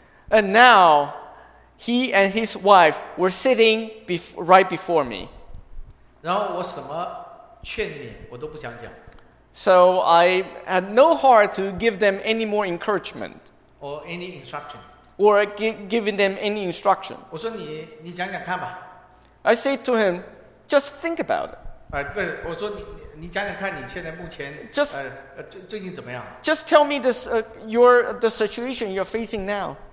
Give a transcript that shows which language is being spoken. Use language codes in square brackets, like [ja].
[en] And now,He and his wife were sitting right before me. [zh] 然后我什么劝勉我都不想讲。 [en] So I had no heart to give them any more encouragement. Or any instruction. Or giving them any instruction. [zh] 我说你讲讲看吧。 [en] I said to him, just think about it. [zh] 不是，我说你讲讲看你现在目前最近怎么样。 [en] Just tell me this, the situation you're facing now.